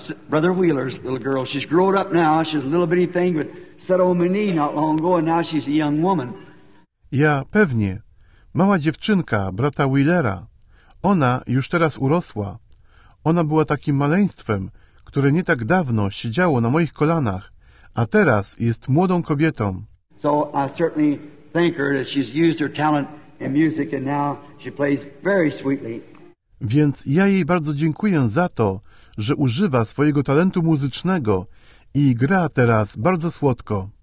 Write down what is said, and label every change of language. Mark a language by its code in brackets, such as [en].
[en] Brother Wheeler's little girl. She's grown up now. She's a little bitty thing, but set on my knee not long ago, and now she's a young woman. [pl] Ja pewnie. Mała dziewczynka brata Wheelera. Ona już teraz urosła. Ona była takim maleństwem, które nie tak dawno siedziało na moich kolanach, a teraz jest młodą kobietą. [en] So I certainly thank her that she's used her talent in music and now she plays very sweetly. [pl] Więc ja jej bardzo dziękuję za to, że używa swojego talentu muzycznego i gra teraz bardzo słodko.